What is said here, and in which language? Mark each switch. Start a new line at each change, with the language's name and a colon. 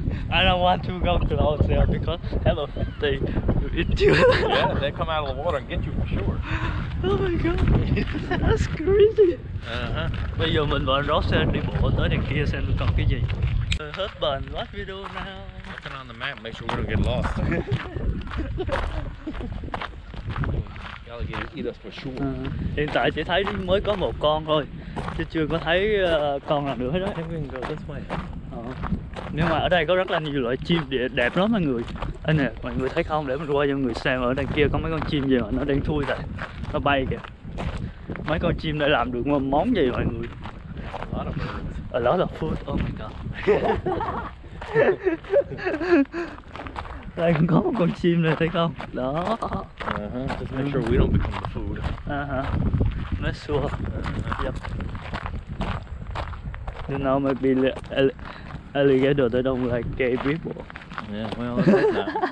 English: I don't want to go close there because hello, they eat you. Yeah, they come out of the water and get you for sure. Oh my god, that's crazy. Uh-huh.
Vietnamese: Bây giờ mình và anh Ross sẽ đi bộ tới đằng kia xem còn cái gì.
English: Hết bền, last video now. Looking on the map, make sure we don't get lost. Alligator eat us for sure.
Vietnamese: Hiện tại chỉ thấy mới có một con thôi, chứ chưa có thấy con nào nữa đó.
English: I think we can go this way.
Vietnamese: Nhưng mà ở đây có rất là nhiều loại chim đẹp lắm mọi người. Anh nè, mọi người thấy không? Để mình quay cho mọi người xem ở đằng kia có mấy con chim gì mà nó đang thui này. Nó bay kìa. Mấy con chim đã làm được một món gì mọi người.
English: A lot of food. Oh my god.
Vietnamese: Đây có một con chim này thấy không? Đó.
English: Just make sure we don't become the food. Make sure. Yep. You know, maybe alligator, they don't like gay people. Yeah, well, it's not.